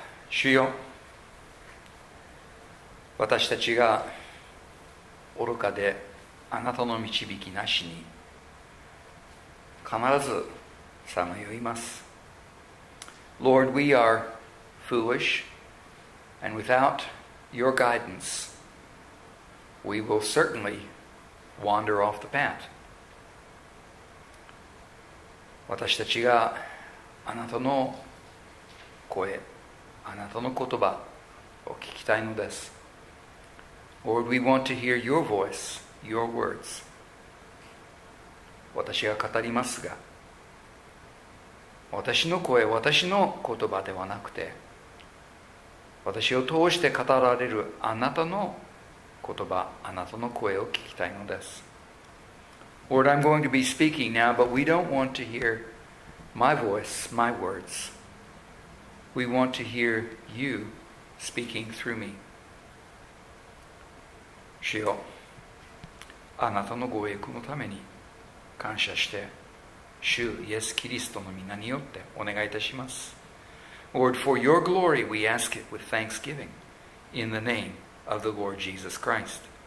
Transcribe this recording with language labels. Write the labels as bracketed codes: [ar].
[ja] 主よ、私たちが愚かであなたの導きなしに必ずさまよいます。 [en] Lord, we are foolish, and without your guidance, we will certainly wander off the path. [ja] 私たちがあなたの声、あなたの言葉を聞きたいのです。 [en] Lord, we want to hear your voice, your words. [ja] 私が語りますが、私の声、私の言葉ではなくて、私を通して語られるあなたの言葉、あなたの声を聞きたいのです。 [en] Lord, I'm going to be speaking now, but we don't want to hear my voice, my words. We want to hear you speaking through me. [ja] 主よ、あなたのご栄光のために感謝して、主イエス・キリストの御名によってお願いいたします。 [en] Lord, for your glory, we ask it with thanksgiving in the name of the Lord Jesus Christ.